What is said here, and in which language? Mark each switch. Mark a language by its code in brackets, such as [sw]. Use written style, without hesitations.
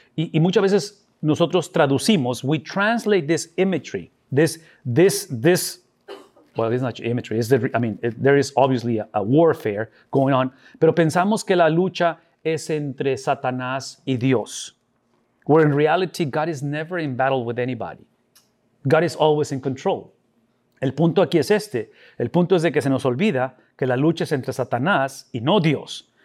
[es] Y muchas veces nosotros traducimos, [en] we translate this imagery, This, well, it's not imagery. There is obviously a warfare going on. [es] Pero pensamos que la lucha es entre Satanás y Dios. [en] Where in reality, God is never in battle with anybody. God is always in control. [es] El punto aquí es este. El punto es de que se nos olvida que la lucha es entre Satanás y no Dios.